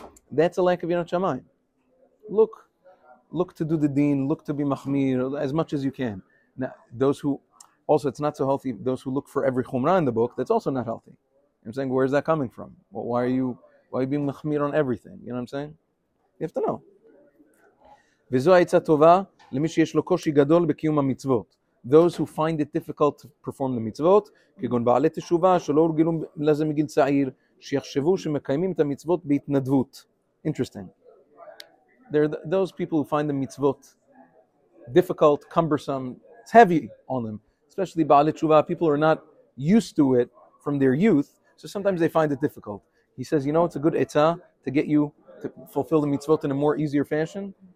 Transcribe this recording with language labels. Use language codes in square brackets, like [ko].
[en] That's a lack of Yirat Shamayim. Look to do the deen, look to be machmir as much as you can. Now, those who, also it's not so healthy, those who look for every chumrah in the book, that's also not healthy. I'm saying, where is that coming from? Well, why are you being mechmir on everything? You know what I'm saying? You have to know. [he] וזו העצה טובה למי שיש לו קושי גדול בקיום המצוות. [en] Those who find it difficult to perform the [he] מצוות, כגון בעלי תשובה, שלא הורגלו לזה מגיל צעיר, שיחשבו שמקיימים את המצוות בהתנדבות. [en] Interesting. There are those people who find the מצוות difficult, cumbersome, it's heavy on them. Especially בעלי תשובה, people are not used to it from their youth, so sometimes they find it difficult. He says, you know, it's a good etza to get you to fulfill the mitzvot in a more easier fashion.